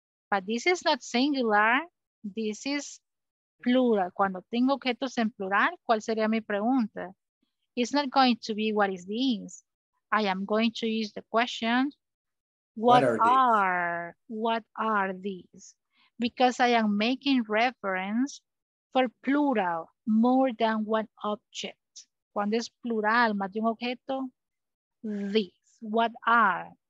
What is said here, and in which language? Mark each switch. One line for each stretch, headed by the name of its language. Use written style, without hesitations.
English: But this is not singular, this is plural.
Spanish: Cuando tengo objetos en plural, ¿cuál sería mi pregunta?
English: It's not going to be, what is this? I am going to use the question, what are these? because I am making reference for plural, more than one object.
Spanish: Cuando es plural, más de un objeto,
English: these, what are.